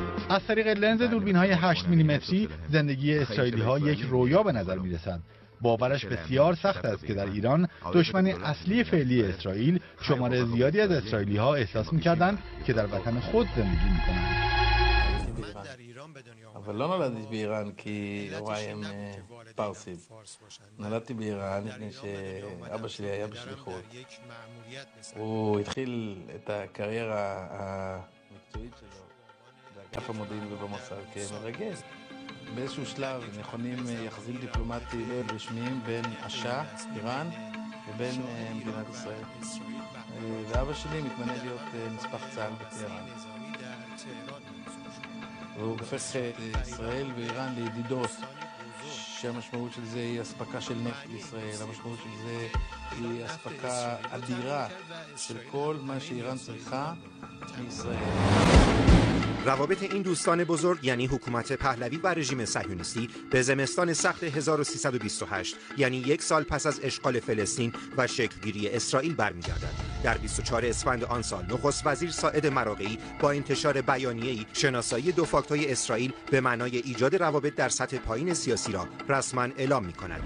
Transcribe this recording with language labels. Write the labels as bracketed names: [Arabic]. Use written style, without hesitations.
[Persian] از طریق لنز دوربین های 8 میلیمتری زندگی اسرائیلی ها یک رویا به نظر می رسد. باورش بسیار سخت است که در ایران دشمن اصلی فعلی اسرائیل، شماره زیادی از اسرائیلی ها احساس می کردند که در وطن خود زندگی می کنند. [Hebrew] אבל לא נולדתי באיראן כי הוריי הם פרסים. נולדתי באיראן מפני שאבא שלי היה בשליחות. הוא התחיל את הקריירה המקצועית שלו באגף המודיעין ובמוסד כמרגל. באיזשהו שלב נכונים יחסים דיפלומטיים רשמיים בין אש"ף, איראן, לבין מדינת ישראל. ואבא שלי מתמנה להיות נספח צה"ל בטהרן. והוא הופך את ישראל ואיראן לידידות, שהמשמעות של זה היא אספקה של נפט לישראל, המשמעות של זה היא אספקה אדירה של כל מה שאיראן צריכה מישראל. [Persian] روابط این دوستان بزرگ، یعنی حکومت پهلوی و رژیم صهیونیستی، به زمستان سخت 1328، یعنی یک سال پس از اشغال فلسطین و شکل‌گیری اسرائیل برمی‌گردد. در 24 اسفند آن سال، نخست وزیر ساعد مراغه‌ای با انتشار بیانیه‌ای شناسایی دو فاکتای اسرائیل به معنای ایجاد روابط در سطح پایین سیاسی را رسماً اعلام می‌کند.